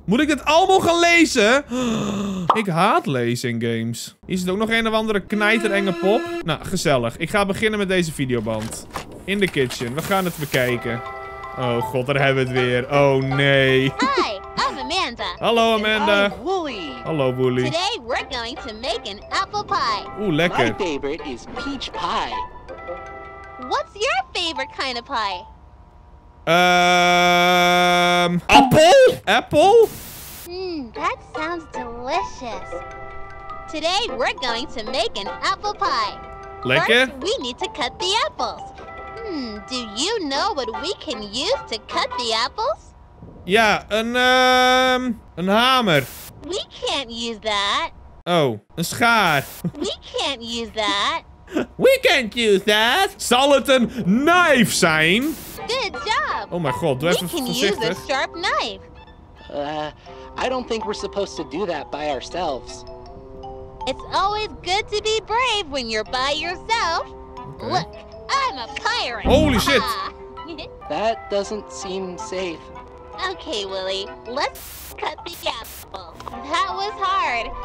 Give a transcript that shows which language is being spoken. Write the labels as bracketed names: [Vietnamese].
[Dutch] Moet ik dit allemaal gaan lezen? Ik haat lezen in games. Hier zit ook nog een of andere knijterenge pop. Nou, gezellig. Ik ga beginnen met deze videoband. In the Kitchen. We gaan het bekijken. Oh god, daar hebben we het weer. Oh nee. [English] Hi, I'm Amanda. [Dutch] Hallo Amanda. [English] And I'm Wooly. [Dutch] Hallo Wooly. [English] Today we're going to make an apple pie. [Dutch] Oeh, lekker. [English] My favorite is peach pie. What's your favorite kind of pie? Apple? Apple? That sounds delicious. Today we're going to make an apple pie. [Dutch] Lekker. [English] First, we need to cut the apples. Do you know what we can use to cut the apples? [Dutch] Ja, een hamer. [English] We can't use that. [Dutch] Oh, een schaar. [English] We can't use that. We can't use that. [Dutch] Zal het een knijf zijn? [English] Good job. [Dutch] Oh mijn god, doe even voorzichtig. [English] We can use a sharp knife. I don't think we're supposed to do that by ourselves. It's always good to be brave when you're by yourself. Okay. Look. I'm a pirate! Holy shit! That doesn't seem safe. Okay, Wooly, let's cut the apple. That was hard.